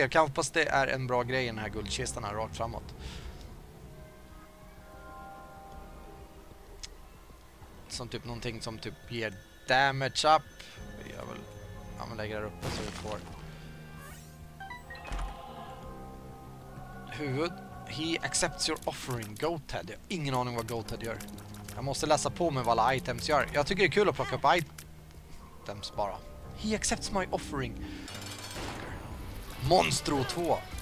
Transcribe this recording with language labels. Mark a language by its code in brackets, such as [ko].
[sv] Jag kan hoppas det är en bra grej i den här guldkistan här rakt framåt. Som typ någonting som typ ger damage up. Vi gör väl... Ja, men lägger det uppe så vi får... huvud. [en] He accepts your offering, Goathead. [sv] Jag har ingen aning vad Goathead gör. Jag måste läsa på mig vad alla items gör. Jag tycker det är kul att plocka upp items bara. [en] He accepts my offering. Monstro 2.